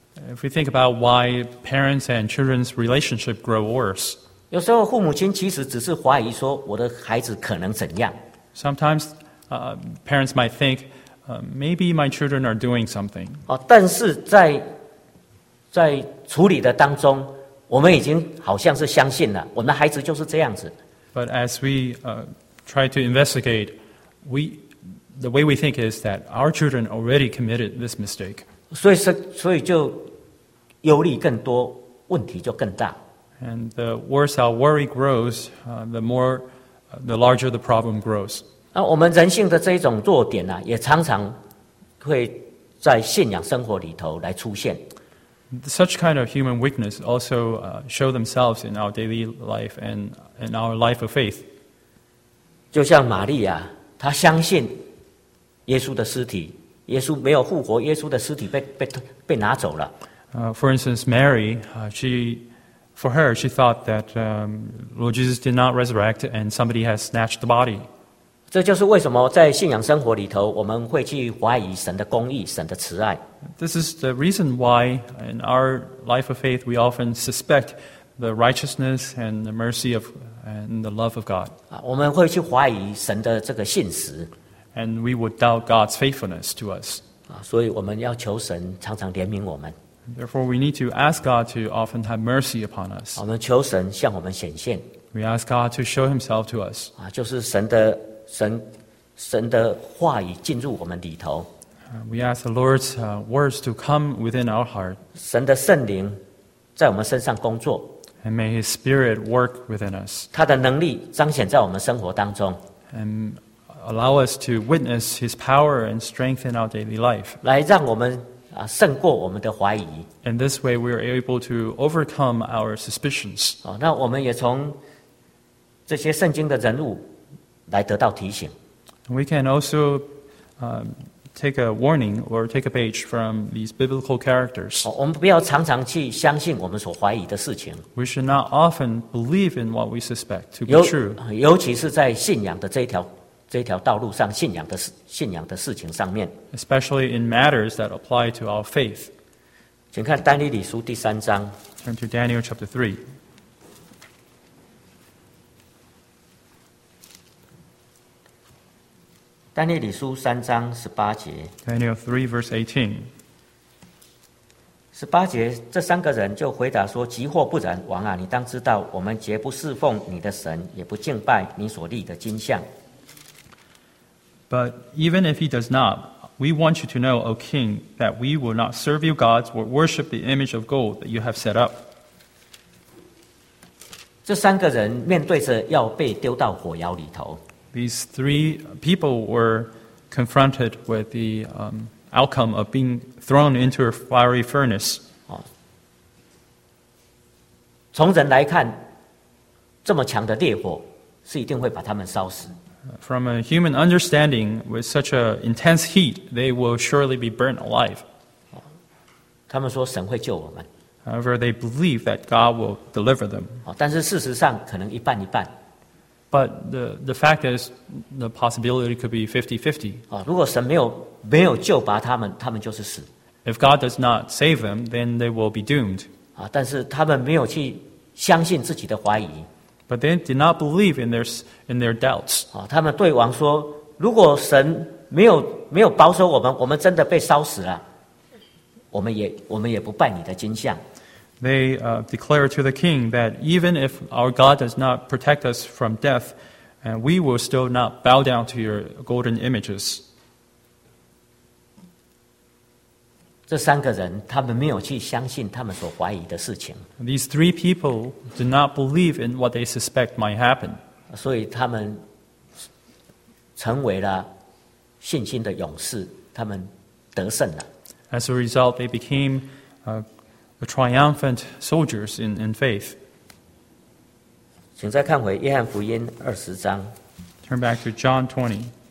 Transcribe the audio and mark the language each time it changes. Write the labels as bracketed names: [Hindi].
[English] If we think about why parents and children's relationship grow worse, [Chinese] 有时候父母亲其实只是怀疑说我的孩子可能怎样。 [English] Sometimes, parents might think, maybe my children are doing something. [Chinese] 但是在处理的当中，我们已经好像是相信了，我们的孩子就是这样子。 [English] But as we try to investigate, the way we think is that our children already committed this mistake. [Chinese] 所以就忧虑更多，问题就更大。 [English] And the worse our worry grows, the larger the problem grows. [Chinese] 我们人性的这一种弱点啊，也常常会在信仰生活里头来出现。 [English] Such kind of human weakness also show themselves in our daily life and in our life of faith. [Chinese] 就像玛利亚，她相信耶稣的尸体。耶稣没有复活，耶稣的尸体被拿走了。 [English] For instance, Mary, she thought that Lord Jesus did not resurrect, and somebody has snatched the body. [Chinese] 这就是为什么在信仰生活里头，我们会去怀疑神的公义、神的慈爱。 [English] This is the reason why in our life of faith we often suspect the righteousness and the mercy of and the love of God. [Chinese] 我们会去怀疑神的这个信实。 [English] And we would doubt God's faithfulness to us. [Chinese] 所以我们要求神常常怜悯我们。 [English] Therefore, we need to ask God to often have mercy upon us. [Chinese] 我们求神向我们显现。 [English] We ask God to show Himself to us. [Chinese] 就是神的话语进入我们里头。 [English] We ask the Lord's words to come within our heart. [Chinese] 神的圣灵在我们身上工作。 [English] And may His Spirit work within us. [Chinese] 他的能力彰显在我们生活当中。 [English] And allow us to witness His power and strength in our daily life. [Chinese] 来让我们胜过我们的怀疑。 [English] And this way we are able to overcome our suspicions. [Chinese] 那我们也从这些圣经的人物来得到提醒。 [English] We can also take a warning or take a page from these biblical characters. [Chinese] 我们不要常常去相信我们所怀疑的事情。 [English] We should not often believe in what we suspect to be true. [Chinese] 尤其是在信仰的这条道路上，信仰的事情上面。 [English] Especially in matters that apply to our faith. [Chinese] 请看但以理书第三章。 [English] Turn to Daniel chapter 3. [Chinese] 但以理书三章十八节。 [English] Daniel 3 verse 18. [Chinese] 十八节，这三个人就回答说：“即或不然，王啊，你当知道，我们绝不侍奉你的神，也不敬拜你所立的金像。” [English] But even if he does not, we want you to know, O king, that we will not serve you gods or worship the image of gold that you have set up. [Chinese] 这三个人面对着要被丢到火窑里头。 [English] These three people were confronted with the outcome of being thrown into a fiery furnace. [Chinese] 从人来看，这么强的烈火是一定会把他们烧死。 [English] From a human understanding, with such an intense heat, they will surely be burnt alive. [Chinese] 他们说神会救我们。 [English] However, they believe that God will deliver them. [Chinese] 但是事实上可能一半一半。 [English] But the fact is, the possibility could be 50-50. [Chinese] 如果神没有救拔他们，他们就是死。 [English] If God does not save them, then they will be doomed. [Chinese] 但是他们没有去相信自己的怀疑。 [English] But they did not believe in their doubts. [Chinese] 他们对王说，如果神没有保守我们，我们真的被烧死了，我们也不拜你的金像。 [English] They declared to the king that even if our God does not protect us from death, and we will still not bow down to your golden images. [Chinese] 这三个人，他们没有去相信他们所怀疑的事情。 [English] These three people do not believe in what they suspect might happen. [Chinese] 所以他们成为了信心的勇士，他们得胜了。 [English] As a result, they became the triumphant soldiers in faith. [Chinese] 请再看回约翰福音二十章。 [English] Turn back to John 20.